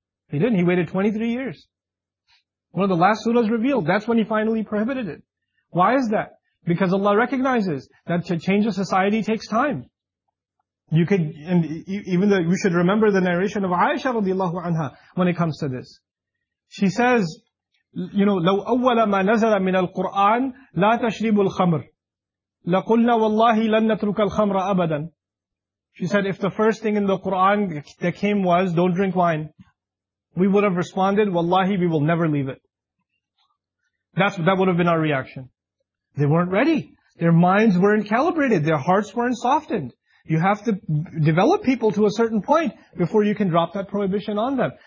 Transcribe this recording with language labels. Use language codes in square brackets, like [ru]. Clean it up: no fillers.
[en] He didn't, he waited 23 years. One of the last surahs revealed, that's when he finally prohibited it. Why is that? Because Allah recognizes that to change a society takes time. You could, and even though we should remember the narration of Aisha radiallahu anha when it comes to this. She says, you know, [ar] لو أول ما نزل من القرآن لا تشرب الخمر لقلنا والله لن نترك الخمر أبدا. [en] She said, if the first thing in the Quran that came was don't drink wine, we would have responded, wallahi, we will never leave it. That would have been our reaction. They weren't ready. Their minds weren't calibrated. Their hearts weren't softened. You have to develop people to a certain point before you can drop that prohibition on them.